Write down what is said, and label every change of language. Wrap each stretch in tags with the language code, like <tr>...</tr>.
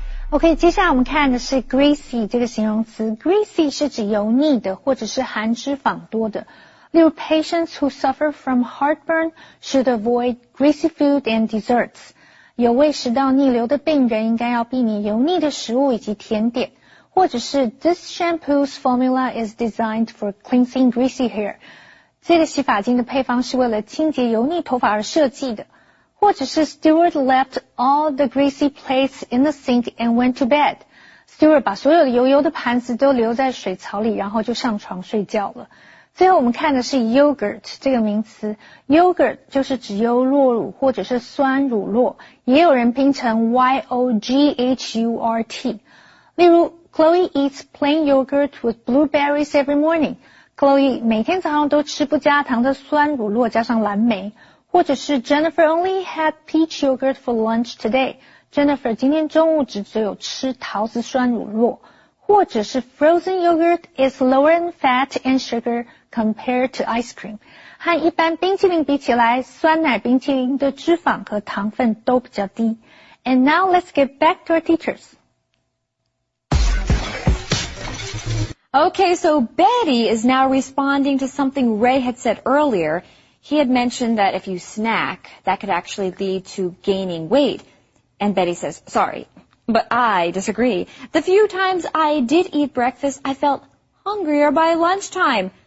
<zh>OK, 接下来我们看的是 greasy 这个形容词。greasy 是指油腻的或者是含脂肪多的。例如</zh> <en>patients who suffer from heartburn should avoid greasy food and desserts.</en> <zh>有胃食道逆流的病人应该要避免油腻的食物以及甜点。或者是</zh> <en>this shampoo's formula is designed for cleansing greasy hair.</en> <zh>这个洗发精的配方是为了清洁油腻头发而设计的。或者是</zh> <en>Stewart left all the greasy plates in the sink and went to bed.</en> <zh>Stewart 把所有的油油的盘子都留在水槽里然后就上床睡觉了。最后我们看的是 yogurt 这个名词。yogurt 就是指优酪乳或者是酸乳酪也有人拼成 Y-O-G-H-U-R-T。例如</zh> <en>Chloe eats plain yogurt with blueberries every morning.</en> <zh>Chloe 每天早上都吃不加糖的酸乳酪加上蓝莓。或者是</zh> <en>Jennifer only had peach yogurt for lunch today.</en> <zh>Jennifer 今天中午只有吃桃子酸乳酪。或者是</zh> <en>frozen yogurt is lower in fat and sugar compared to ice cream.</en> <zh>和一般冰淇淋比起来，酸奶冰淇淋的脂肪和糖分都比较低。</zh> <en>And now let's get back to our teachers. Okay, so Betty is now responding to something Ray had said earlier. He had mentioned that if you snack, that could actually lead to gaining weight. And Betty says, sorry. But I disagree. The few times I did eat breakfast, I felt hungrier by lunchtime.</en>